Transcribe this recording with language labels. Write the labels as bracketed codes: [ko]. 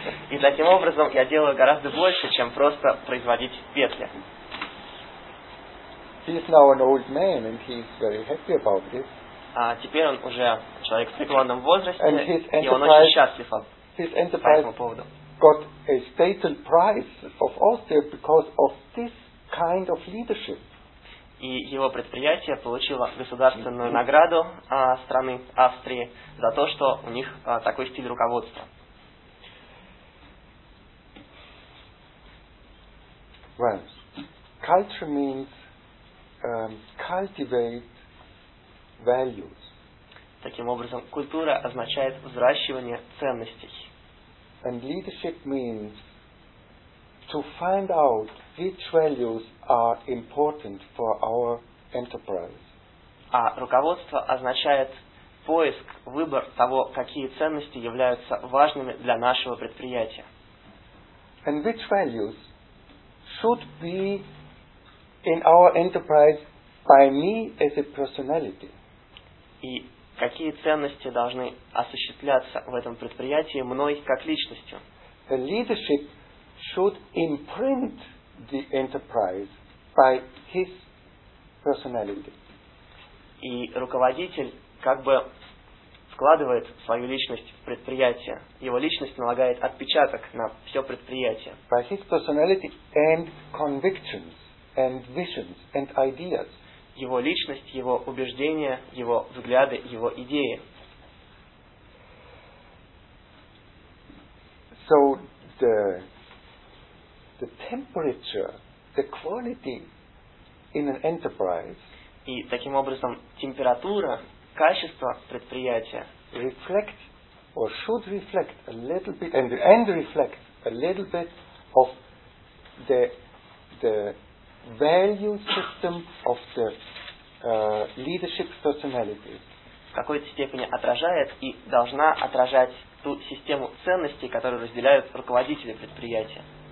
[ru] И таким образом я делаю гораздо больше, чем просто производить петли. [en] He is now an old man, and he is very happy about this. [ru] Теперь он уже человек в преклонном возрасте, и он очень счастлив. [en] His enterprise [ru] по этому поводу. [en] Got a stated prize of Austria because of this kind of leadership. [ru] И его предприятие получило государственную награду страны Австрии за то, что у них такой стиль руководства. [en] Well, culture means cultivate values. [ru] Таким образом, культура означает взращивание ценностей. [en] And leadership means to find out which values are important for our enterprise. [ru] А руководство означает поиск, выбор того, какие ценности являются важными для нашего предприятия. [en] And which values should be in our enterprise by me as a personality. [ru] И какие ценности должны осуществляться в этом предприятии мной как личностью? [en] The leadership should imprint the enterprise by his personality. [ru] И руководитель как бы вкладывает свою личность в предприятие. Его личность налагает отпечаток на все предприятие. [en] By his personality and convictions. And visions and ideas. [ru] Его личность, его убеждения, его взгляды, его идеи. [en] So the temperature, the quality in an enterprise. [ru] И таким образом температура, качество предприятия. [en] Reflect or should reflect a little bit and reflect a little bit of the value system of the leadership personality. [ru] В какой-то степени отражает и должна отражать ту систему ценностей, которую разделяют руководители предприятия.